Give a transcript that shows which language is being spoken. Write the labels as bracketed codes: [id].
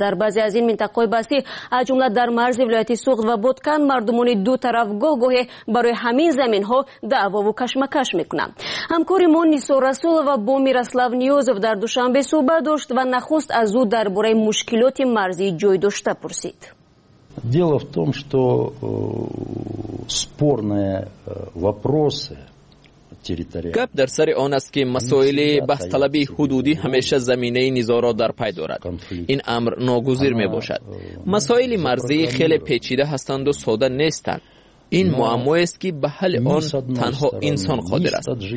[fa] در بعضی از این منطقه های بسی از جمله در مرز ولایت سوخت و بودکان مردمان دو طرف گاه گاهی برای همین زمین ها دعوا و کشمکش میکنند. همکاری ما نیسو رسولوف با میراسلاو نیوزوف در دوشنبه صحبت داشت و نخست از او درباره مشکلات مرزی جای داشته پرسید. [ru] Дело в том, что спорные вопросы [fa] گپ در سر آن است که مسائل بحث طلبی حدودی همیشه زمینه نزاع را در پی دارد. این امر ناگزیر می باشد. مسائل مرزی خیلی پیچیده هستند و ساده نیستند. این معما است که به حل آن تنها انسان قادر است.